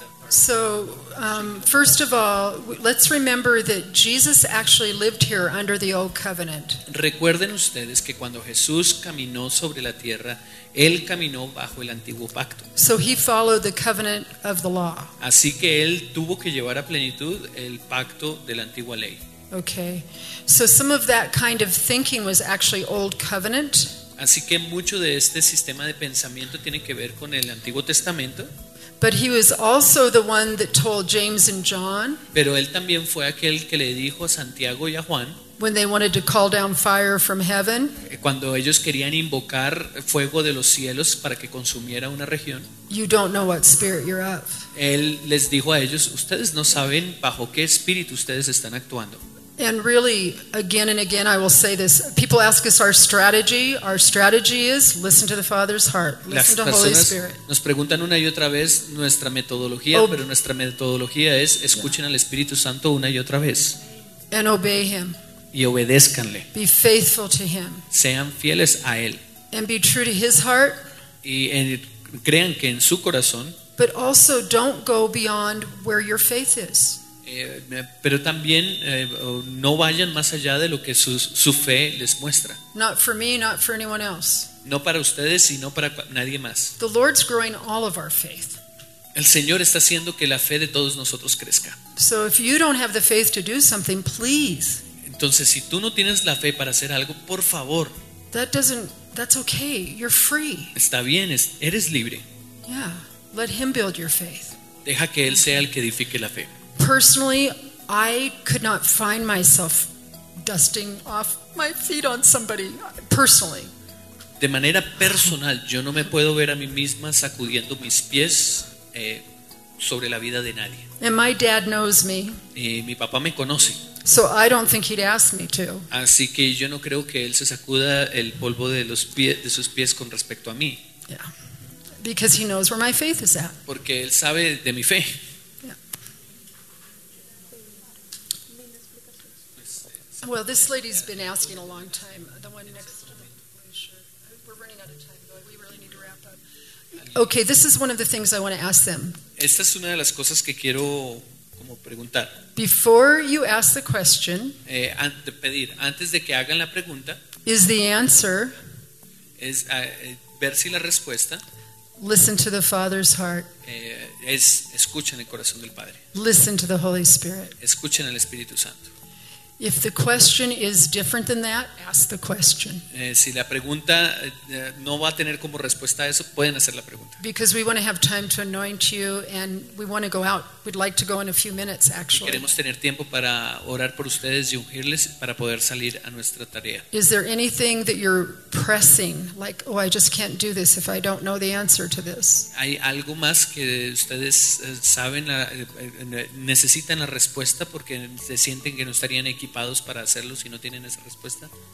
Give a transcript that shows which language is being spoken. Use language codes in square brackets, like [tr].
[en] So, first of all, let's remember that Jesus actually lived here under the old covenant. [es] Recuerden ustedes que cuando Jesús caminó sobre la tierra, él caminó bajo el antiguo pacto. [en] So he followed the covenant of the law. [es] Así que él tuvo que llevar a plenitud el pacto de la antigua ley. [en] Okay. So some of that kind of thinking was actually old covenant. [es] Así que mucho de este sistema de pensamiento tiene que ver con el Antiguo Testamento. [en] But he was also the one that told James and John. [es] Pero él también fue aquel que le dijo a Santiago y a Juan. [en] When they wanted to call down fire from heaven. [es] Cuando ellos querían invocar fuego de los cielos para que consumiera una región. [en] You don't know what spirit you're of. [es] Él les dijo a ellos, ustedes no saben bajo qué espíritu ustedes están actuando. [en] And really, again and again, I will say this. People ask us our strategy. Our strategy is listen to the Father's heart, listen to the Holy Spirit. [es] Nos preguntan una y otra vez nuestra metodología, pero nuestra metodología es escuchen al Espíritu Santo una y otra vez. [en] And obey Him. [es] Y obedézcanle. [en] Be faithful to Him. [es] Sean fieles a Él. [en] And be true to His heart. [es] Y crean que en su corazón. [en] But also, don't go beyond where your faith is. [es] Pero también no vayan más allá de lo que su fe les muestra. [en] Not for me, not for anyone else. [es] No para ustedes y no para nadie más. [en] The Lord's growing all of our faith. [es] El Señor está haciendo que la fe de todos nosotros crezca. [en] So if you don't have the faith to do something, please. [es] Entonces, si tú no tienes la fe para hacer algo, por favor. [en] That's okay. You're free. [es] Está bien, eres libre. [en] Yeah. Let Him build your faith. [es] Deja que Él sea el que edifique la fe. [en] Personally, I could not find myself dusting off my feet on somebody, personally. [es] De manera personal, yo no me puedo ver a mí misma sacudiendo mis pies sobre la vida de nadie. [en] And my dad knows me. [es] Y mi papá me conoce. [en] So I don't think he'd ask me to. [es] Así que yo no creo que él se sacuda el polvo de sus pies con respecto a mí. [en] Yeah. Because he knows where my faith is at. [es] Porque él sabe de mi fe. [en] Well, this lady's been asking a long time. The one next to me, we're running out of time, but we really need to wrap up. Okay, this is one of the things I want to ask them. [es] Esta es una de las cosas que quiero como como preguntar. [en] Before you ask the question, [es] antes de que hagan la pregunta, [en] is the answer, [es] es ver si la respuesta, [en] listen to the Father's heart. [es] Escuchen el corazón del Padre. [en] Listen to the Holy Spirit. [es] Escuchen al Espíritu Santo. [en] If the question is different than that, ask the question. [es] Si la pregunta no va a tener como respuesta a eso, pueden hacer la pregunta. [en] Because we want to have time to anoint you, and we want to go out. We'd like to go in a few minutes, actually. [es] Queremos tener tiempo para orar por ustedes y ungirles para poder salir a nuestra tarea. [en] Is there anything that you're pressing? Like, oh, I just can't do this if I don't know the answer to this. [es] ¿Hay algo más que ustedes saben, necesitan la respuesta porque se sienten que no estarían equivocados? Equipados para hacerlo si no tienen esa respuesta.